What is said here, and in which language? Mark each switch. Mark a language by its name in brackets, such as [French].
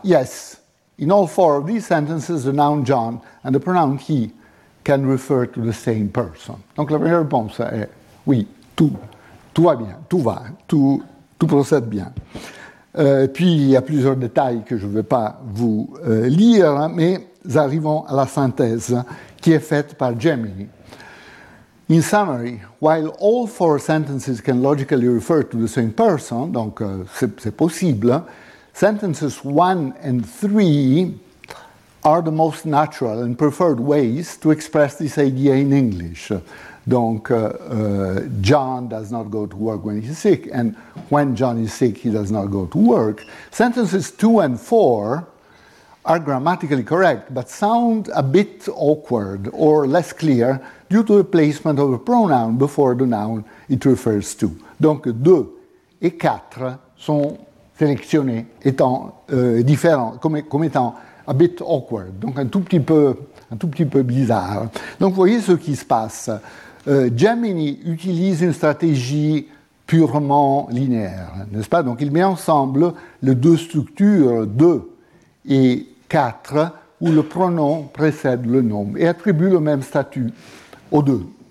[English] Yes, in all four of these sentences, the noun John and the pronoun he can refer to the same person. [French] Donc la première réponse est oui, tout va bien, tout va, tout procède bien. Puis il y a plusieurs détails que je ne vais pas vous lire, mais arrivons à la synthèse qui est faite par Gemini. [English] In summary, while all four sentences can logically refer to the same person, [French] donc c'est possible, [English] sentences 1 and 3 are the most natural and preferred ways to express this idea in English. Donc, John does not go to work when he's sick, and when John is sick, he does not go to work. Sentences 2 and 4 are grammatically correct, but sound a bit awkward or less clear due to the placement of a pronoun before the noun it refers to. [French] Donc, 2 et 4 sont sélectionnés étant différents, comme étant [English] a bit awkward, [French] donc un tout petit peu bizarre. Donc, voyez ce qui se passe. Gemini utilise une stratégie purement linéaire, n'est-ce pas? Donc, il met ensemble les deux structures, 2 et 4, où le pronom précède le nom et attribue le même statut aux deux.